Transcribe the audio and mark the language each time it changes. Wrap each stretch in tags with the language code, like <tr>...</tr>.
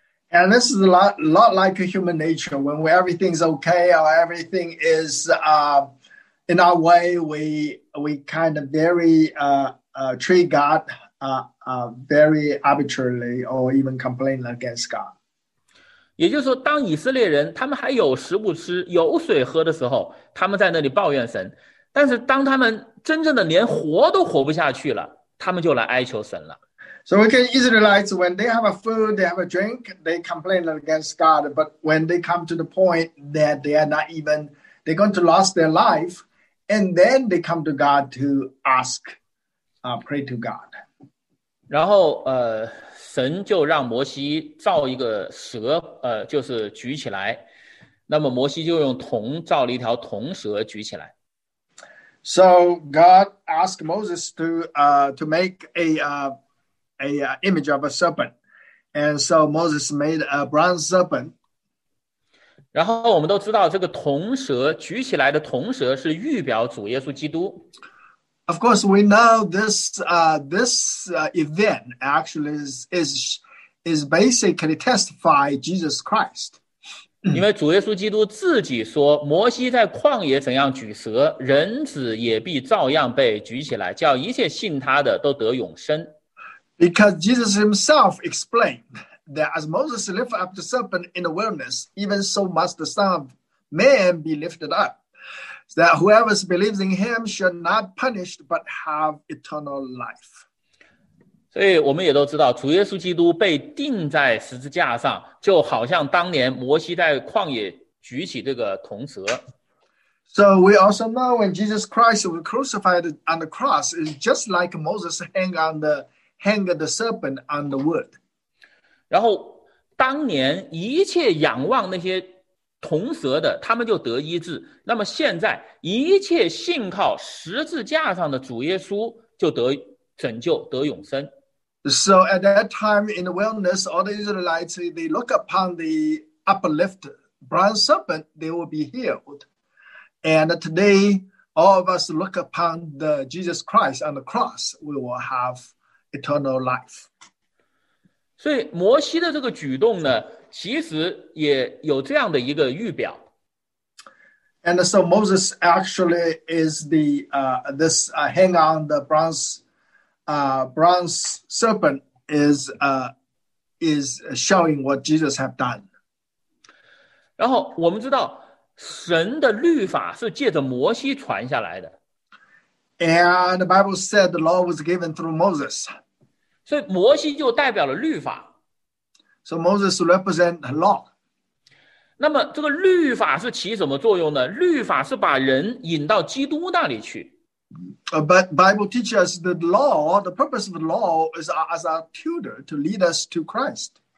<en>And this is a lot like human nature. When everything is okay or everything is in our way, we kind of very treat God very arbitrarily or even complain against God.</en> <zh>也就是说，当以色列人他们还有食物吃、有水喝的时候，他们在那里抱怨神；但是当他们真正的连活都活不下去了，他们就来哀求神了。</zh> <en>So we can Israelites, when they have a food, they have a drink, they complain against God. But when they come to the point that they are not even, they're going to lose their life, and then they come to God to ask, pray to God.</en> <zh>然后神就让摩西造一个蛇，就是举起来。那么摩西就用铜造了一条铜蛇举起来。</zh> <en>So God asked Moses to make a image of a serpent. And so Moses made a bronze serpent.</en> <zh>然后我们都知道这个铜蛇举起来的铜蛇是预表主耶稣基督。</zh> <en>Of course, we know this event actually is basically testify Jesus Christ.</en> <zh>因为主耶稣基督自己说，摩西在旷野怎样举蛇，人子也必照样被举起来，叫一切信他的都得永生。</zh> <en>Because Jesus himself explained that as Moses lifted up the serpent in the wilderness, even so must the Son of Man be lifted up, that whoever believes in him should not be punished but have eternal life.</en> <zh>所以我们也都知道，主耶稣基督被钉在十字架上，就好像当年摩西在旷野举起这个铜蛇。</zh> <en>So we also know when Jesus Christ was crucified on the cross, it's just like Moses hang the serpent on the wood.</en> <zh>然后当年一切仰望那些铜蛇的，他们就得医治。那么现在一切信靠十字架上的主耶稣就得拯救，得永生。</zh> <en>So at that time in the wilderness, all the Israelites, they look upon the uplifted bronze serpent, they will be healed. And today, all of us look upon the Jesus Christ on the cross, we will have eternal life.</en> <zh>所以摩西的这个举动呢，其实也有这样的一个预表。</zh> <en>And so Moses actually is hang on the bronze serpent is showing what Jesus have done.</en> <zh>然后我们知道神的律法是借着摩西传下来的。</zh> <en>And the Bible said the law was given through Moses.</en> <zh>所以摩西就代表了律法。</zh> <en>So Moses represent the law.</en> <zh>那么这个律法是起什么作用呢？律法是把人引到基督那里去。</zh> <en>But Bible teaches us that the purpose of the law is as a tutor to lead us to Christ.</en>